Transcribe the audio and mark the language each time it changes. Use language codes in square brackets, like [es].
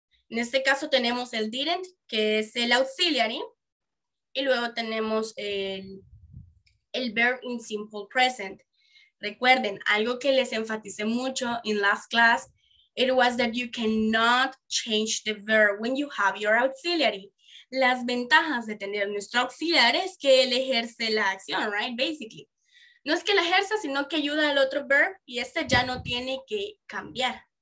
[es] En este caso tenemos el didn't, que es el auxiliary, y luego tenemos el [en] verb in simple present. [es] Recuerden, algo que les enfaticé mucho [en] in last class, it was that you cannot change the verb when you have your auxiliary. [es] Las ventajas de tener nuestro auxiliar es que él ejerce la acción, [en] right? Basically. [es] No es que la ejerza, sino que ayuda al otro verb y este ya no tiene que cambiar.